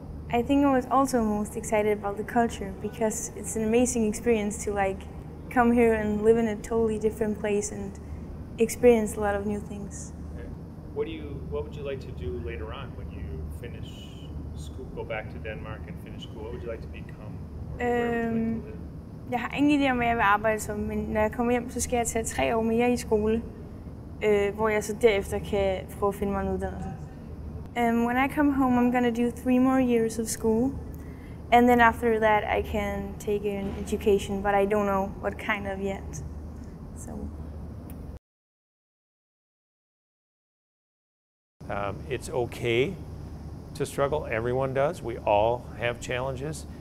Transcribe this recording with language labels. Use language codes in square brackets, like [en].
[en] I think I was also most excited about the culture because it's an amazing experience to like come here and live in a totally different place and experience a lot of new things. Okay. What would you like to do later on when you finish school, go back to Denmark and finish school? What would you like to become? [da] Jeg har ingen idé om hvad jeg vil arbejde som, men når jeg kommer hjem så skal jeg tage 3 år mere i skole, hvor jeg så derefter kan prøve at finde mig en uddannelse. [en] When I come home, I'm gonna do 3 more years of school, and then after that, I can take an education, but I don't know what kind of yet. So. It's okay to struggle. Everyone does. We all have challenges.